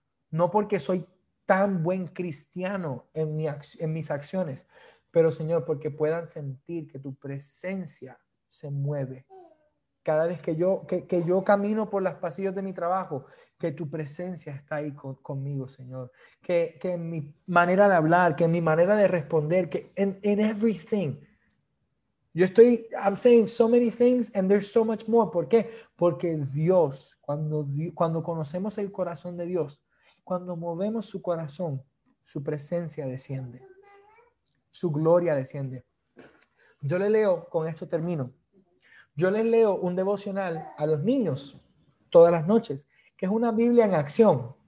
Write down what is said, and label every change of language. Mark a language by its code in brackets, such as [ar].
[es] No porque soy tan buen cristiano en mis acciones, pero Señor, porque puedan sentir que tu presencia se mueve. Cada vez que yo camino por los pasillos de mi trabajo, que tu presencia está ahí conmigo, Señor. Que en mi manera de hablar, que en mi manera de responder, que en everything. [en] I'm saying so many things and there's so much more. [es] ¿Por qué? Porque Dios, cuando conocemos el corazón de Dios, cuando movemos su corazón, su presencia desciende, su gloria desciende. Yo le leo, con esto termino, yo le leo un devocional a los niños todas las noches, que es una Biblia en acción.